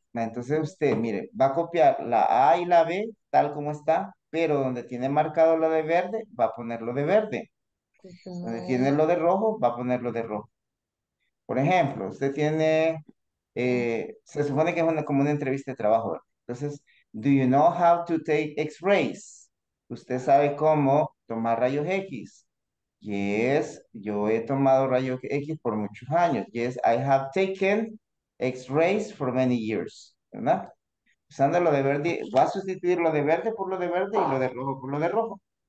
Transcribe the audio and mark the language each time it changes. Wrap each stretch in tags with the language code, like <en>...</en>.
<es>Entonces usted, mire, va a copiar la A y la B tal como está, pero donde tiene marcado lo de verde, va a ponerlo de verde. Donde tiene lo de rojo, va a ponerlo de rojo. Por ejemplo, usted tiene, se supone que es como una entrevista de trabajo. Entonces,</es> <en>do you know how to take X-rays?</en> <es>¿Usted sabe cómo tomar rayos X? Yes, yo he tomado rayos X por muchos años.</es> <en>Yes, I have taken X-rays for many years. ¿Verdad?</en> <es>Usando lo de verde, va a sustituir lo de verde por lo de verde y lo de rojo por lo de rojo.</es>